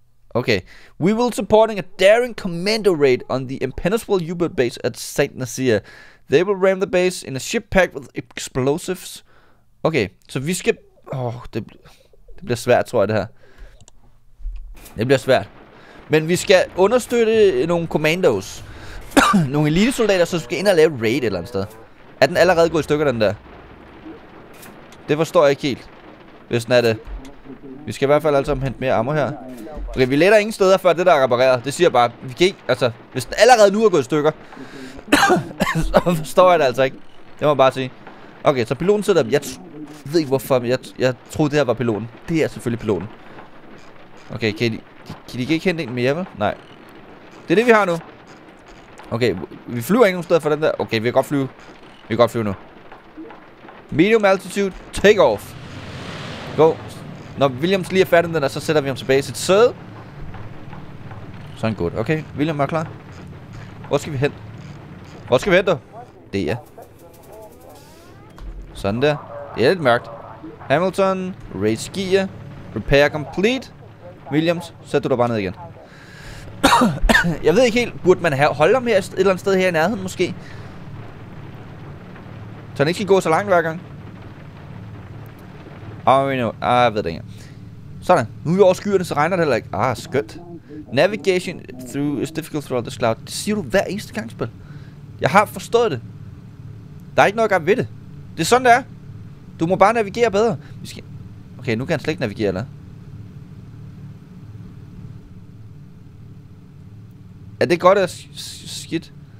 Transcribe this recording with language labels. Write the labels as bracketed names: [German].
[English] Okay, we will supporting a daring commando raid on the impenetrable U-boat base at St. Nazaire. They will ram the base in a ship packed with explosives. [Danish] Okay, så vi skal... det bliver svært, tror jeg, det her. Det bliver svært. Men vi skal understøtte nogle commandos. Nogle elitesoldater, som skal ind og lave raid et eller andet sted. Er den allerede gået i stykker, den der? Det forstår jeg ikke helt. Hvis den er det. Vi skal i hvert fald altså hente mere ammo her. Okay, vi letter ingen steder, før det der er repareret. Det siger bare, vi kan ikke, altså, hvis den allerede nu er gået i stykker. Så forstår jeg det altså ikke. Det må jeg bare sige. Okay, så piloten sidder der. Jeg ved ikke hvorfor, men jeg troede det her var piloten. Det er selvfølgelig piloten. Okay, kan de ikke hente en mere, vel? Nej. Det er det, vi har nu. Okay, vi flyver ikke nogen steder for den der. Okay, vi kan godt flyve. Vi kan godt flyve nu. [English] Medium altitude, take off. Go. [Danish] Når Williams lige er færdig den der, så sætter vi ham tilbage i sit sæde. Sådan godt. Okay, William er klar. Hvor skal vi hen? Hvor skal vi hen, du? Det er. Sådan der. Det er lidt mørkt. Hamilton, [English] race gear. Repair complete. [Danish] Williams, sæt du dig bare ned igen. Jeg ved ikke helt, burde man holde ham her et eller andet sted her i nærheden måske? Så han ikke skal gå så langt hver gang. Jeg ved det ikke. Sådan, nu er vi over skyerne, så regner det heller ikke. Ah, skønt. [English] Navigation through is difficult throughout this cloud. [Danish] Det siger du hver eneste gang, spil. Jeg har forstået det. Der er ikke noget at gøre ved det. Det er sådan, det er. Du må bare navigere bedre. Vi skal... Okay, nu kan han slet ikke navigere, eller? Er det godt, eller skidt?